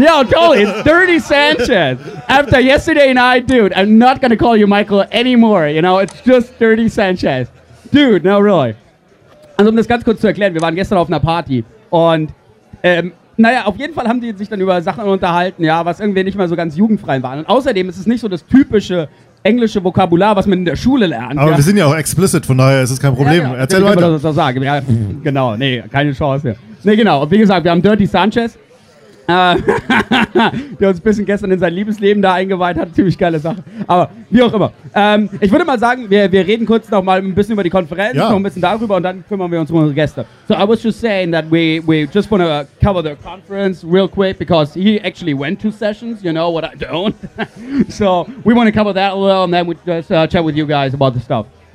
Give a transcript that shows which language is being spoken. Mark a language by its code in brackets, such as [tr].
[en] totally. It's Dirty Sanchez. After yesterday night, dude, I'm not going to call you Michael anymore. You know, it's just Dirty Sanchez. Dude, no, really. [de] Also, um das ganz kurz zu erklären, wir waren gestern auf einer Party und, auf jeden Fall haben die sich dann über Sachen unterhalten, ja, was irgendwie nicht mehr so ganz jugendfrei waren. Und außerdem ist es nicht so das typische englische Vokabular, was man in der Schule lernt. Aber wir sind ja auch explicit, von daher ist es kein Problem. Ja, erzähl weiter. Das so sagen. Ja, genau, keine Chance. Nee, genau. Und wie gesagt, wir haben Dirty Sanchez. der uns ein bisschen gestern in sein Liebesleben da eingeweiht hat. Ziemlich geile Sache. Aber wie auch immer. Ich würde mal sagen, wir reden kurz noch mal ein bisschen über die Konferenz, noch ein bisschen darüber und dann kümmern wir uns um unsere Gäste. [en] So I was just saying that we just want to cover the conference real quick because he actually went to sessions, you know what I don't. So we want to cover that a little and then we just chat with you guys about the stuff.